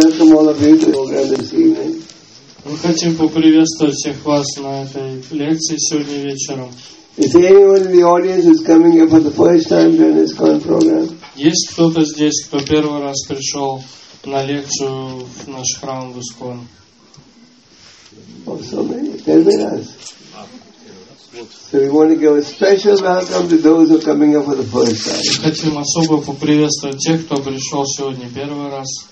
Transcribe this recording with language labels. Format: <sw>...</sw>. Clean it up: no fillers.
<ru>Мы хотим поприветствовать всех вас на этой лекции сегодня вечером.</ru> <en>If anyone in the audience is coming here for the first time during this program,</en> <ru>есть кто-то здесь, кто первый раз пришел на лекцию в наш храм в Искон?</ru> <en>Oh, so many. Tell me that. So we want to give a special welcome to those who are coming here for the first time.</en> <ru>Хотим особо поприветствовать тех, кто пришел сегодня первый раз.</ru>